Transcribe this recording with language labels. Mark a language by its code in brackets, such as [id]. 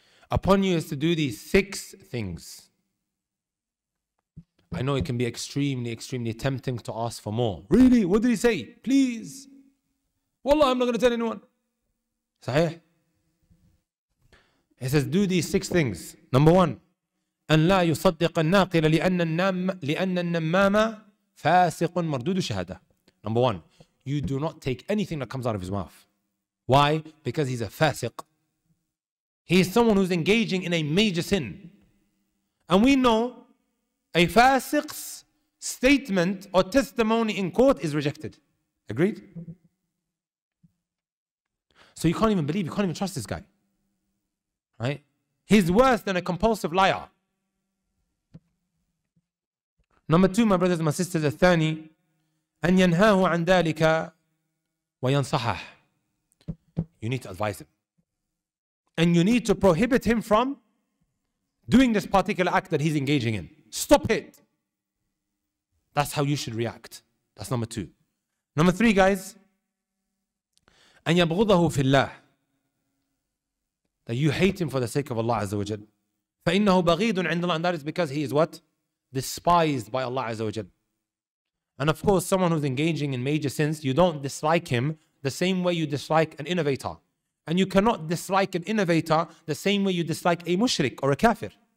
[en] Upon you is to do these six things. I know it can be extremely, extremely tempting to ask for more. Really? What did he say? Please. Wallah, I'm not going to tell anyone. Sahih? He says, do these six things. [ar] Number one, أن لا يصدق الناقل لأن النمام فاسق مردود شهادة. [en] Number one, you do not take anything that comes out of his mouth. Why? Because he's a fasiq. He is someone who's engaging in a major sin. And we know A fasiq's statement or testimony in court is rejected. Agreed? So you can't even believe, you can't even trust this guy. Right? He's worse than a compulsive liar. Number two, my brothers and my sisters, الثاني أن ينهاه عن ذلك وينصحه. You need to advise him. And you need to prohibit him from doing this particular act that he's engaging in. Stop it. That's how you should react. That's number two. [ar] Number three, guys, أن يبغضه في الله. [en] That you hate him for the sake of Allah Azza wa Jal. [ar] فإنه بغيد عند الله. [en] And that is because he is what? Despised by Allah Azza wa Jal. And of course, someone who's engaging in major sins, you don't dislike him the same way you dislike an innovator. And you cannot dislike an innovator the same way you dislike a mushrik or a kafir.